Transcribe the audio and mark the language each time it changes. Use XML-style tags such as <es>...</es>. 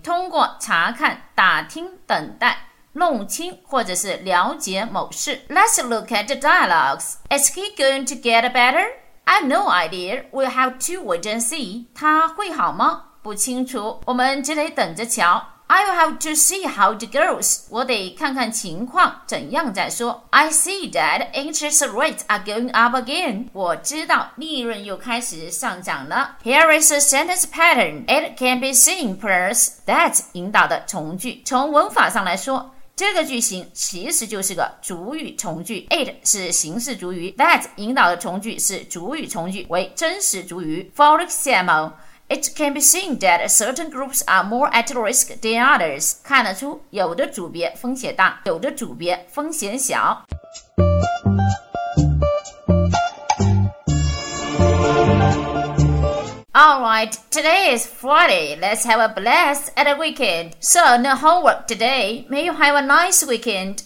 <zh>通过查看、打听、等待。弄清或者是了解某事。</zh> <en>Let's look at the dialogues. Is he going to get better? I have no idea. We'll have to wait and see.</en> <zh>他会好吗？不清楚，我们只得等着瞧。</zh> <en>I'll have to see how it goes.</en> <zh>我得看看情况怎样再说。</zh> <en>I see that interest rates are going up again.</en> <zh>我知道利润又开始上涨了。</zh> <en>Here is a sentence pattern. It can be seen first.</en> <zh>That 引导的从句。从文法上来说，这个句型其实就是个主语从句。 It 是形式主语， That 引导的从句是主语从句，为真实主语。</zh> <en>For example, It can be seen that certain groups are more at risk than others.</en> <zh>看得出有的组别风险大，有的组别风险小。</zh> <en>Alright, today is Friday. Let's have a blast at the weekend. So, no homework today. May you have a nice weekend.</en>